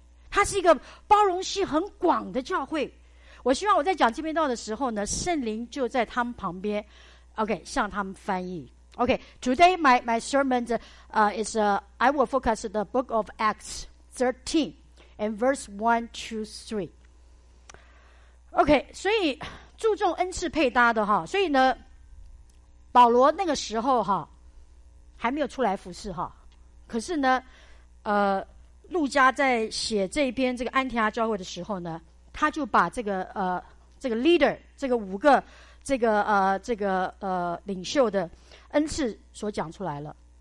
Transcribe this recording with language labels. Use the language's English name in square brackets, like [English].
[Chinese] 它是一个包容性很广的教会。我希望我在讲这篇道的时候呢，圣灵就在他们旁边 ，OK， 向他们翻译。 [English] OK， today my sermon is I will focus the book of Acts 13 and verse 1-3. [Chinese] OK， 所以注重恩赐配搭的哈，所以呢，保罗那个时候哈还没有出来服侍哈，可是呢，路加在写这篇这个安提阿教会的时候呢，他就把这个这个 leader 这个五个这个领袖的恩赐所讲出来了。